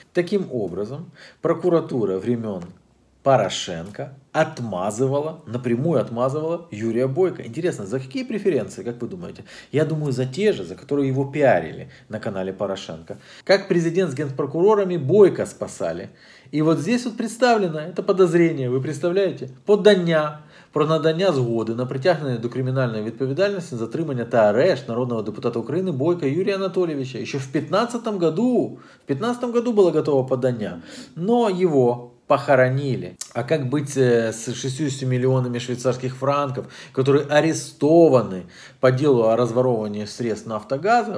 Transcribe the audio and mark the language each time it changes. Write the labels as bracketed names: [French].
[Russian] Таким образом, прокуратура времен Порошенко напрямую отмазывала Юрия Бойко. Интересно, за какие преференции, как вы думаете? Я думаю, за те же, за которые его пиарили на канале Порошенко. Как президент с генпрокурорами Бойко спасали. И вот здесь вот представлено это подозрение, вы представляете? [Ukrainian] Подання про надання згоди на притягнення до кримінальної відповідальності за тримання та арешт народного депутата України Бойко Юрія Анатолійовича. Ще в 15-му году було готове подання, но його похоронили. [Russian] А как быть с 60 миллионами швейцарских франков, которые арестованы по делу о разворовывании средств Нафтогаза?